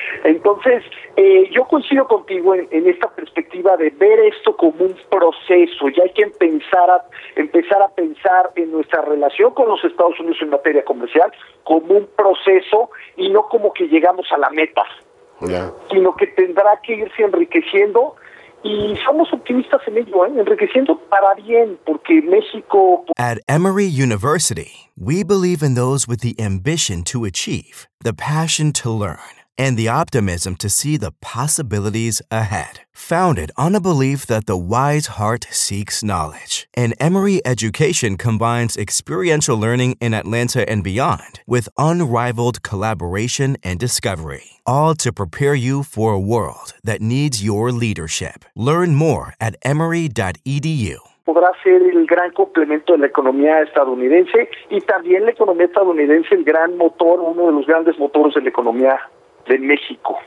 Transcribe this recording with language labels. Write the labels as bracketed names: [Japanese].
[Spanish] Entonces, yo coincido contigo en esta perspectiva de ver esto como un proceso, y hay que empezar a pensar en nuestra relación con los Estados Unidos en materia comercial como un proceso y no como que llegamos a la meta. Sino que tendrá que irse enriqueciendo, y somos optimistas en ello, enriqueciendo para bien, porque México... [English] At Emory University, we believe in those with the ambition to achieve, the passion to learn, and the optimism to see the possibilities ahead. Founded on a belief that the wise heart seeks knowledge, an Emory education combines experiential learning in Atlanta and beyond with unrivaled collaboration and discovery, all to prepare you for a world that needs your leadership. Learn more at emory.edu. [Spanish] Podrá ser el gran complemento de la economía estadounidense, y también la economía estadounidense el gran motor, uno de los grandes motores de la economía de México.